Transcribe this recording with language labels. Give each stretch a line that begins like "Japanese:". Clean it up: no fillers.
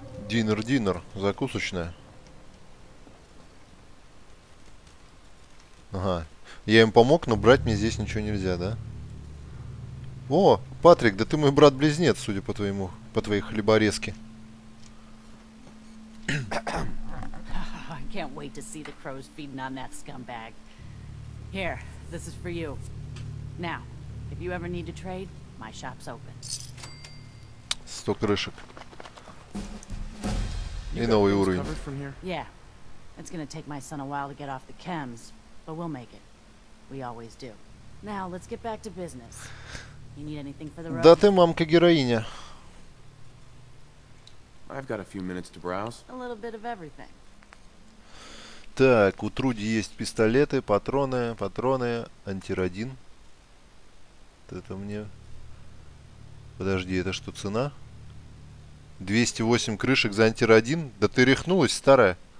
Russian: Динер-динер, закусочная. Ага, я им помог, но брать мне здесь ничего нельзя, да? О, Патрик, да ты мой брат-близнец, судя по твоему, по твоей хлеборезке.
English: I can't wait to see the crows feeding on that scumbag. Here, this is for you. Now, if you ever need to trade, my shop's open.
Russian: 100 крышек. И новый уровень.
English: Yeah, it's gonna take my son a while to get off the chems, but we'll make it. We always do. Now let's get back to business. You need anything for the road?
Russian: Да ты мамка героиня.
English: I've got a few minutes to browse. A little bit of everything.
Russian: Так, у Труди есть пистолеты, патроны, антирадин. Вот это мне. Подожди, это что, цена? 208 крышек за антирадин? Да ты рехнулась, старая.